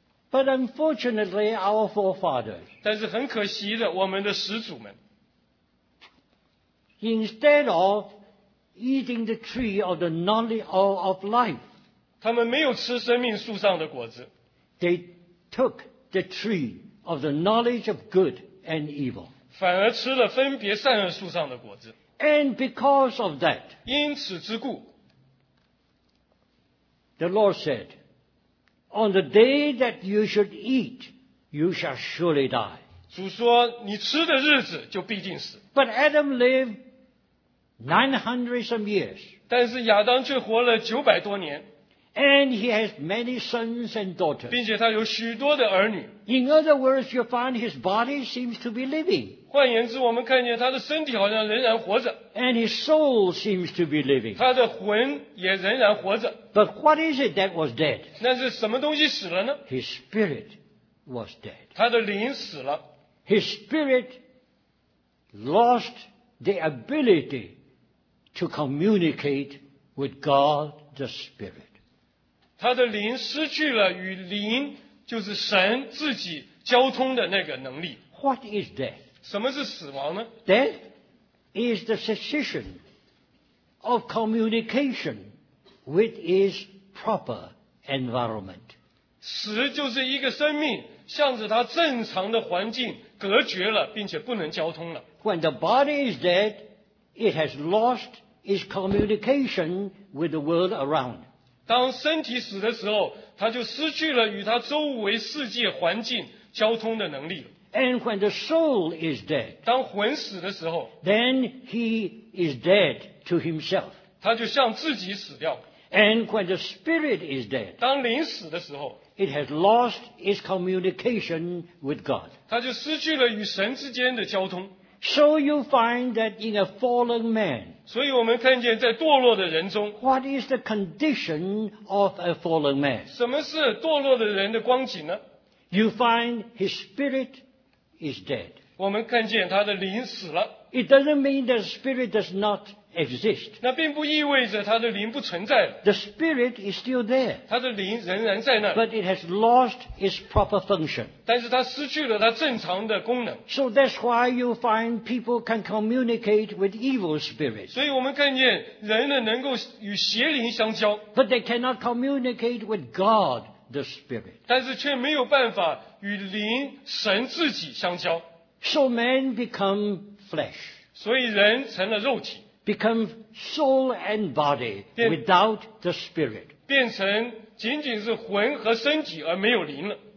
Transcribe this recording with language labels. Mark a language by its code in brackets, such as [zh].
[en] But unfortunately, our forefathers. [zh] 但是很可惜的，我们的始祖们。 [en] Instead of eating the tree of the knowledge of life. [zh] 他们没有吃生命树上的果子。 [en] They took the tree of the knowledge of good and evil. [zh] 反而吃了分别善恶树上的果子。 [en] And because of that, [zh] 因此之故, [en] the Lord said, On the day that you should eat, you shall surely die. [zh] 主说你吃的日子就必定死。 [en] But Adam lived 900 some years. [zh] 但是亚当却活了900多年。 [en] And he has many sons and daughters. [zh] 并且他有许多的儿女。 [en] In other words, you find his body seems to be living. [zh] 换言之，我们看见他的身体好像仍然活着。 [en] And his soul seems to be living. [zh] 他的魂也仍然活着。 [en] But what is it that was dead? [zh] 那是什么东西死了呢？ [en] His spirit was dead. [zh] 他的灵死了。 [en] His spirit lost the ability to communicate with God the Spirit. [zh] 他的灵失去了与灵就是神自己交通的那个能力。 [en] What is death? [zh] 什么是死亡呢? [en] Death is the cessation of communication with its proper environment. [zh] 死就是一个生命向着它正常的环境隔绝了并且不能交通了。 [en] When the body is dead, it has lost its communication with the world around. [zh] 当身体死的时候，他就失去了与他周围世界环境交通的能力。 [en] And when the soul is dead, [zh] 当魂死的时候 [en] ，then he is dead to himself. [zh] 他就向自己死掉。 [en] And when the spirit is dead, [zh] 当灵死的时候 [en] ，it has lost its communication with God. [zh] 他就失去了与神之间的交通。 [en] So you find that in a fallen man. [zh] 所以我们看见在堕落的人中。 [en] What is the condition of a fallen man? [zh] 什么是堕落的人的光景呢? [en] You find his spirit is dead. [zh] 我们看见他的灵死了。 [en] It doesn't mean that spirit does not exist. [zh] 那并不意味着他的灵不存在了。 [en] The spirit is still there. [zh] 他的灵仍然在那。 [en] But it has lost its proper function. [zh] 但是他失去了他正常的功能。 [en] So that's why you find people can communicate with evil spirits. [zh] 所以我们看见人呢能够与邪灵相交。 [en] But they cannot communicate with God, the spirit. [zh] 但是却没有办法与灵神自己相交。 [en] So man become flesh. [zh] 所以人成了肉体。 [en] Become soul and body without the spirit. [zh] 变成仅仅是魂和身体而没有灵了。